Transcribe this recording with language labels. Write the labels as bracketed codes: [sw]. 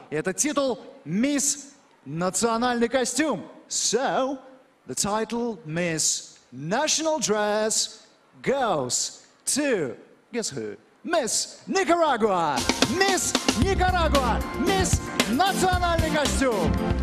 [ru] Это титул Miss Национальный костюм. [en] So, the title Miss National Dress goes to, guess who? Miss Nicaragua! Miss Nicaragua! [ru] Miss Национальный костюм!